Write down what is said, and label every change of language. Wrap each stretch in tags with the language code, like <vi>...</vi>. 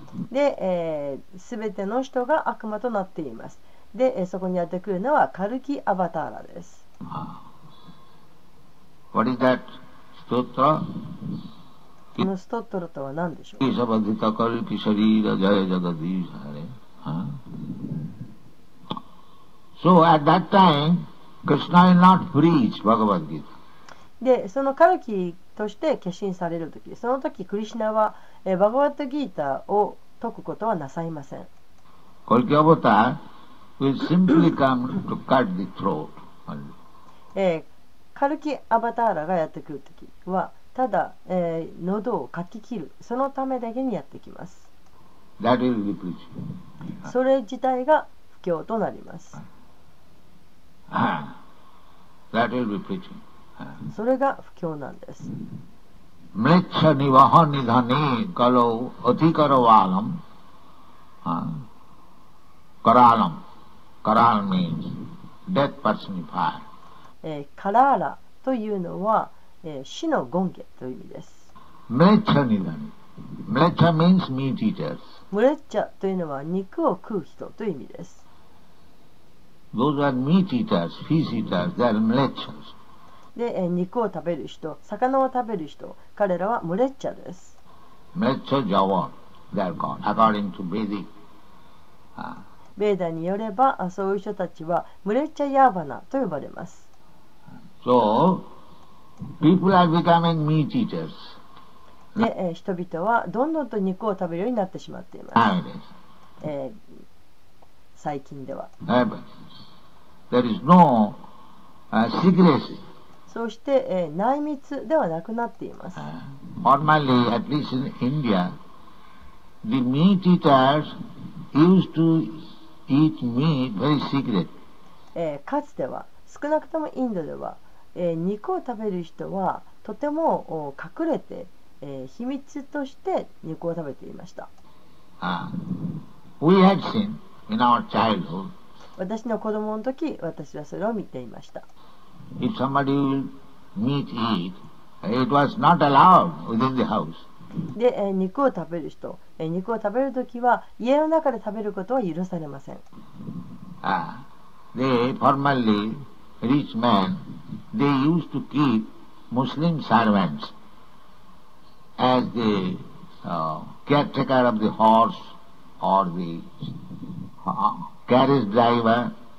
<ja>で、すべての人が悪魔となっています。で、そこにやってくるのはカルキアバターラです。</ja> <en>What is that</en> <ja>このストットラとは何でしょう。</ja> <sa>イサバディタカルキシャリーラジャヤジャガディーハレ。</sa> <en>So at that time, Krishna will not preach Bhagavad Gita.</en> <ja>で、そのカルキとして化身されるとき、そのときクリシナはバガヴァッド・ギータを説くことはなさいません。</ja> <en>カルキアバター will simply come to cut the throat.</en> <ja>カルキアバターラがやってくるときはただ、喉をかき切る、そのためだけにやってきます。</ja> <en>That will be preaching.</en> <ja>それ自体が布教となります。</ja> <en>That will be preaching.</en> <ja>それが布教なんです。</ja> <sa>メッチャニワハニダニカロウアティカロワーラムカラーラム。</sa> <en>カラーラム means death personified</en> <ja>カラーラというのは、死のゴンゲという意味です。</ja> <en>メレッチャニダニ、メレッチャ means meat eaters。</en> <ja>メレッチャというのは肉を食う人という意味です。</ja> <en>Those are meat eaters, fish eaters, they are mlechas.</en> <ja>で、肉を食べる人、魚を食べる人、彼らはメレッチャです。</ja> <en>メレッチャジャワン、they are called according to Vedic.</en> <ja>ベーダによれば、そういう人たちはメレッチャヤーバナと呼ばれます。</ja> <en>So, People are becoming meat eaters.</en> <ja>で、人々はどんどんと肉を食べるようになってしまっています。最近では。</ja> <en>There is no secrecy.</en> <ja>そして、内密ではなくなっています。</ja> <en>Formerly, at least in India, the meat eaters used to eat meat very secret.</en> <ja>かつては、少なくともインドでは、肉を食べる人はとても隠れて、秘密として肉を食べていました。</ja> <en>We had seen in our childhood.</en> <ja>私の子供の時、私はそれを見ていました。</ja> <en>If somebody will meat eat, it was not allowed within the house.</en> <ja>で、肉を食べる人、肉を食べる時は家の中で食べることは許されません。</ja> <en>They formerly rich men, they used to keep Muslim servants. As the caretaker of the horse or the carriage driver.</en>